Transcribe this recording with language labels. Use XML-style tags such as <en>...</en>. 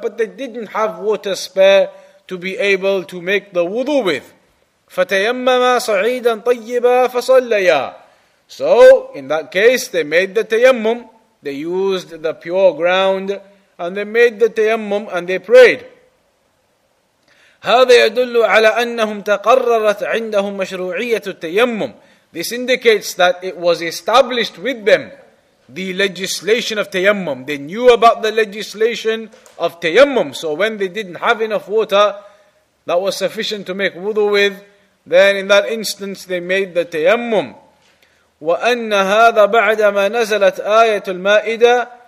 <en>But they didn't have water spare to be able to make the wudu with.</en> <ar>فَتَيَمَّمَا صَعِيدًا طَيِّبًا فَصَلَّيَا</ar> <en>So in that case, they made the tayammum. They used the pure ground, and they made the tayammum and they prayed.</en> <ar>هذا يدل على أنهم تقررت عندهم مشروعية التيمم.</ar> <en>This indicates that it was established with them, the legislation of tayammum. They knew about the legislation of tayammum. So when they didn't have enough water that was sufficient to make wudu with, then in that instance they made the tayammum.</en> <ar>وأن هذا بعدما نزلت آية المائدة.</ar>